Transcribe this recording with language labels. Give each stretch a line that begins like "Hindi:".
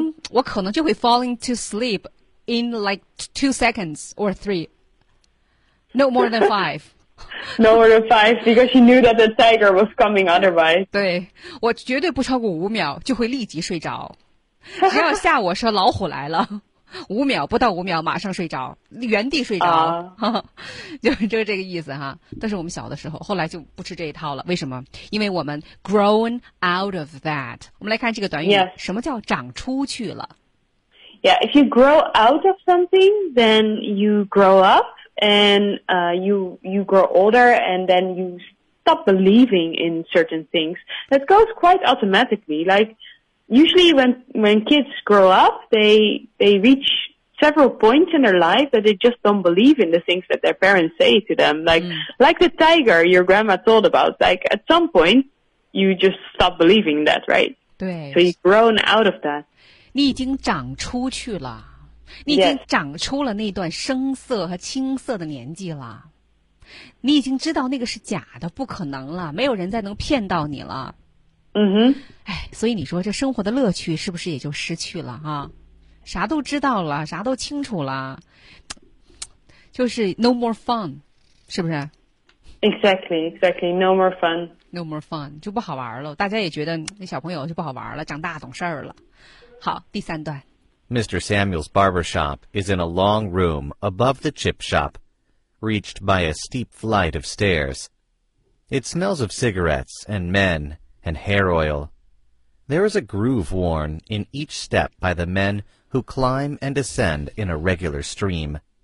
Chinese: 我可能就会
English: falling to sleep in like 2 seconds or 3. No more than 5. No more than 5, because she knew that the tiger was coming otherwise.
Chinese: 对，我绝对不超过5秒就会立即睡着。只要吓我说老虎来了，不到5秒马上睡着，原地睡着。就这个意思哈。但是我们小的时候，后来就不吃这一套了。为什么？因为我们
English: grown out of that。
Chinese: 我们来看这个短语，
English: yes.
Chinese: 什么叫长出去了
English: ？Yeah, if you grow out of something, then you grow up, and you grow older, and then you stop believing in certain things. That goes quite automatically. Like usually, when kids grow up, they reach. Several points in their life that they just don't believe in the things that their parents say to them. Like the tiger your grandma told about. Like at some point, you just stop believing that, right?
Chinese: 对。
English: So you've grown out of that.
Chinese: 你已经长出去了。你已经长出了那段声色和青涩的年纪了，你已经知道那个是假的，不可能了，没有人再能骗到你了。嗯哼，哎，所以你说这生活的乐趣是不是也就失去了哈、啊？啥都知道了，啥都清楚了，就是
English: no more fun，
Chinese: 是不是
English: ？Exactly, no more fun, no more fun
Chinese: 就不好玩了。大家也觉得那小朋友就不好玩了，长大懂事儿了。好，第三段。
English: Mr. Samuel's barber shop is in a long room above the chip shop. Reached by a steep flight of stairs. It smells of cigarettes and men and hair oil. There is a groove worn in each step by the men who climb and descend in a regular stream.